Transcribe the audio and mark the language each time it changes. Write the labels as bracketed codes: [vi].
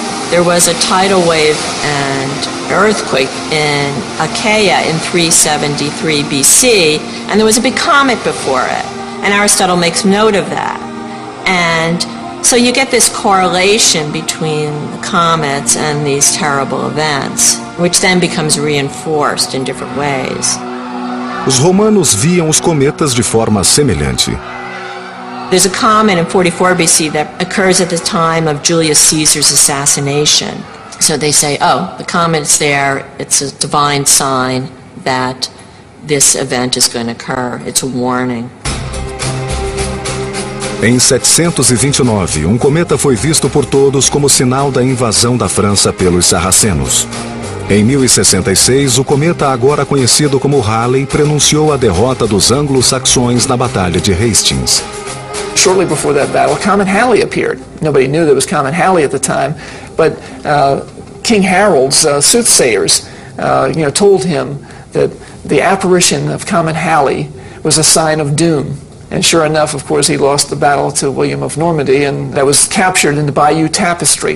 [en] There was a tidal wave and earthquake in Achaia in 373 BC, and there was a big comet before it. And Aristotle makes note of that. And so you get this correlation between the comets and these terrible events, which then becomes reinforced in different ways. [pt] Os romanos viam os cometas de forma semelhante. [en] There's a comet in 44 BC that occurs at the time of Julius Caesar's assassination. So they say, oh, the comet's there, it's a divine sign that this event is going to occur. It's a warning. [pt] Em 729, um cometa foi visto por todos como sinal da invasão da França pelos sarracenos. Em 1066, o cometa, agora conhecido como Halley, prenunciou a derrota dos anglo-saxões na Batalha de Hastings. [en] Shortly before that battle, Comet Halley appeared. Nobody knew there was Comet Halley at the time, but King Harold's soothsayers told him that the apparition of Comet Halley was a sign of doom. And sure enough, of course, he lost the battle to William of Normandy, and that was captured in the Bayeux Tapestry.